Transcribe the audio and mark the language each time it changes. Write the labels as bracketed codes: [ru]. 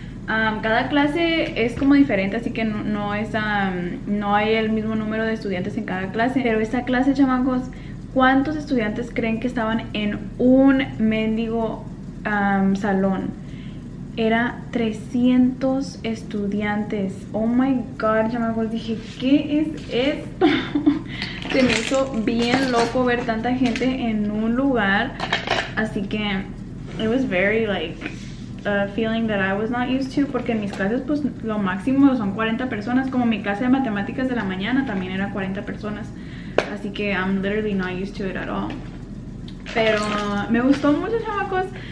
[es] Cada clase es como diferente, así que no hay el mismo número de estudiantes en cada clase, pero esa clase, chamacos, ¿cuántos estudiantes creen que estaban en un mendigo salón? Era 300 estudiantes. [en] Oh my God, [es] chamacos. Dije, ¿qué es esto? Se me hizo bien loco ver tanta gente en un lugar. Así que, [en] it was very like a feeling that I was not used to. [es] Porque en mis clases, pues lo máximo son 40 personas. Como mi clase de matemáticas de la mañana también era 40 personas. Así que, [en] I'm literally not used to it at all. [es] Pero me gustó mucho, chamacos.